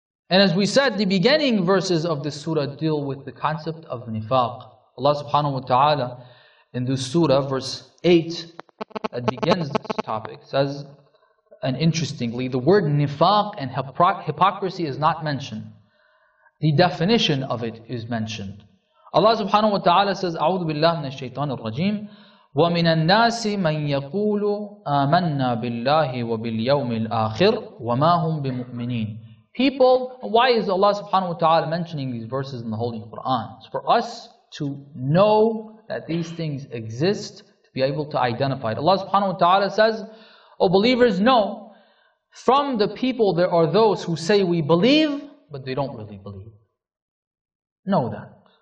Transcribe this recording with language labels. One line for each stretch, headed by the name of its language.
English: And as we said, the beginning verses of this surah deal with the concept of nifaq. Allah subhanahu wa ta'ala in this surah, verse 8, that begins this topic, says, and interestingly, the word nifaq and hypocrisy is not mentioned. The definition of it is mentioned. Allah subhanahu wa ta'ala says,
Arabic: أَعُوذُ بِاللَّهِ مِنَ الشَّيْطَانِ الرَّجِيمِ وَمِنَ النَّاسِ مَنْ يَقُولُ آمَنَّا بِاللَّهِ وَبِالْيَوْمِ الْآخِرِ وَمَا هُمْ بِمُؤْمِنِينَ.
English: People, why is Allah subhanahu wa ta'ala mentioning these verses in the Holy Quran? It's for us to know that these things exist, to be able to identify it. Allah subhanahu wa ta'ala says, O believers, know, from the people there are those who say we believe, but they don't really believe. Know that.